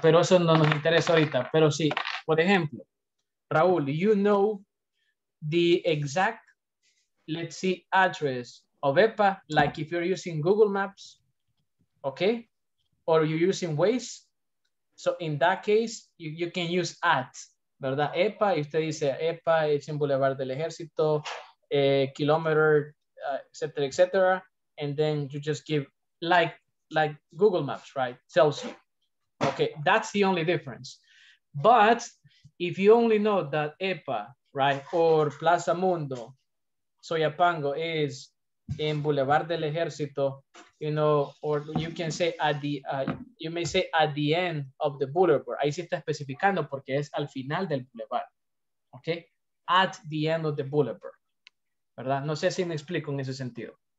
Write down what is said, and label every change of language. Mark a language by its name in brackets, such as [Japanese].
[Spanish] Pero eso no nos interesa ahorita. Pero sí, por ejemplo, [English] Raúl, you know the exact, let's see, address of EPA, like if you're using Google Maps, okay? Or you're using Waze. So in that case, you can use at, ¿verdad? [Spanish] EPA, y usted dice EPA, es en Boulevard del Ejército, kilometer, etcétera, etcétera. [English] And then you just give like Google Maps, right? Tells you. Okay, that's the only difference. But if you only know that EPA, right, or Plaza Mundo, Soyapango is in Boulevard del Ejército, you know, or you can say at the, you may say at the end of the boulevard. [Spanish] Ahí sí está especificando porque es al final del boulevard. Okay, [English] at the end of the boulevard. [Spanish] ¿Verdad? No sé si me explico en ese sentido.